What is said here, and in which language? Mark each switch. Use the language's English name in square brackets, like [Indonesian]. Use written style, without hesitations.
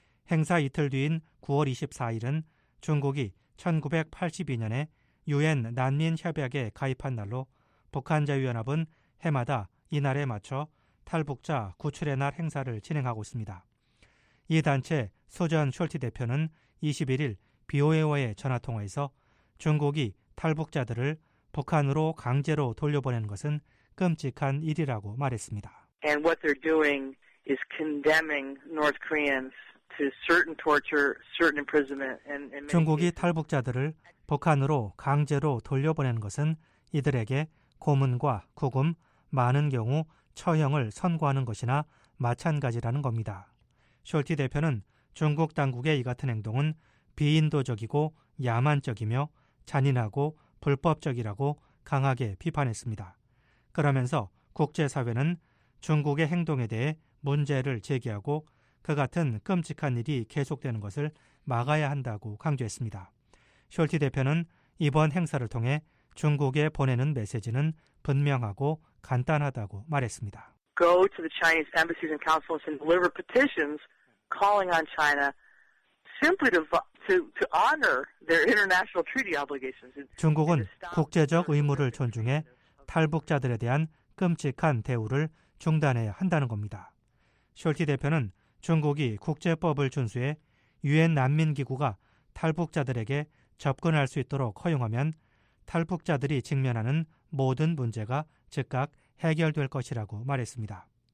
[Korean] 행사 이틀 뒤인 9월 24일은 중국이 1982년에 유엔 난민협약에 가입한 날로 북한자유연합은 해마다 이날에 맞춰 탈북자 구출의 날 행사를 진행하고 있습니다. 이 단체 소전 숄티 대표는 21일 BOA와의 전화통화에서 중국이 탈북자들을 북한으로 강제로 돌려보내는 것은 끔찍한 일이라고 말했습니다. [English] And what they're doing is condemning North Koreans to certain torture, certain imprisonment. [Korean] 중국이 탈북자들을 북한으로 강제로 돌려보내는 것은 이들에게 고문과 구금, 많은 경우 처형을 선고하는 것이나 마찬가지라는 겁니다. 숄티 대표는 중국 당국의 이 같은 행동은 비인도적이고 야만적이며 잔인하고 불법적이라고 강하게 비판했습니다. 그러면서 국제사회는 중국의 행동에 대해 문제를 제기하고 그 같은 끔찍한 일이 계속되는 것을 막아야 한다고 강조했습니다. 숄티 대표는 이번 행사를 통해 중국에 보내는 메시지는 분명하고 간단하다고 말했습니다. [English] Go to the Chinese embassies and consulates and deliver petitions calling on China simply to honor their international treaty obligations. [Korean] 중국은 국제적 의무를 존중해 탈북자들에 대한 끔찍한 대우를 중단해야 한다는 겁니다. 숄티 대표는 중국이 국제법을 준수해 유엔 난민기구가 탈북자들에게 접근할 수 있도록 허용하면 탈북자들이 직면하는 모든 문제가 즉각 해결될 것이라고 말했습니다.